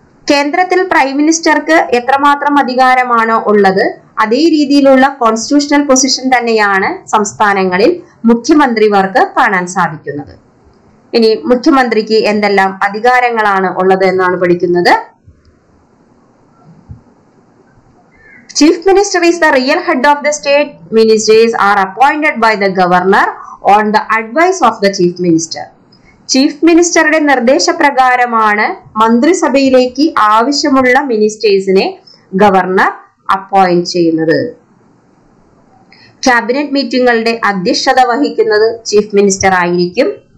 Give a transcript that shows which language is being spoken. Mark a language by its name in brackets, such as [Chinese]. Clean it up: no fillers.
[Malayalam] കേന്ദ്രത്തിൽ പ്രൈം മിനിസ്റ്റർക്ക് എത്രമാത്രം അധികാരമാണോ ഉള്ളത് അതേ രീതിയിലുള്ള കോൺസ്റ്റിറ്റ്യൂഷണൽ പൊസിഷൻ തന്നെയാണ് സംസ്ഥാനങ്ങളിൽ മുഖ്യമന്ത്രിമാർക്ക് കാണാൻ സാധിക്കുന്നത്. ഇനി മുഖ്യമന്ത്രിക്ക് എന്തെല്ലാം അധികാരങ്ങളാണ് ഉള്ളത് എന്നാണ് പഠിക്കുന്നത്. [English] Chief Minister is the real head of the state. Ministers are appointed by the governor on the advice of the Chief Minister. [Malayalam] Chief Minister's നിർദ്ദേശപ്രകാരമാണ് മന്ത്രിസഭയിലേക്ക് ആവശ്യമുള്ള മിനിസ്റ്റേഴ്സിനെ ഗവർണർ അപ്പോയിന്റ് ചെയ്യുന്നത്. ക്യാബിനറ്റ് മീറ്റിംഗുകളുടെ അധ്യക്ഷത വഹിക്കുന്നത് ചീഫ് മിനിസ്റ്റർ ആയിരിക്കും.